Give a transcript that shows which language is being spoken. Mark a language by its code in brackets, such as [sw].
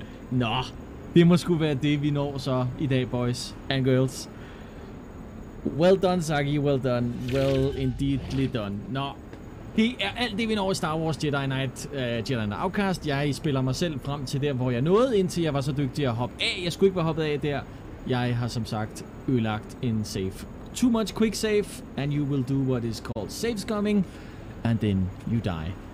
[da] Nå, det må sgu være det, vi når så i dag, [en] boys and girls. Well done, Saki, well done. Well indeedly done. [da] Nå, Det er alt det, vi når i Star Wars Jedi Knight, Jedi Knight Outcast. Jeg spiller mig selv frem til der, hvor jeg nåede, indtil jeg var så dygtig at hoppe af. Jeg skulle ikke være hoppet af der. Jeg har som sagt ødelagt en save. [en] Too much quick save, and you will do what is called save scumming, and then you die.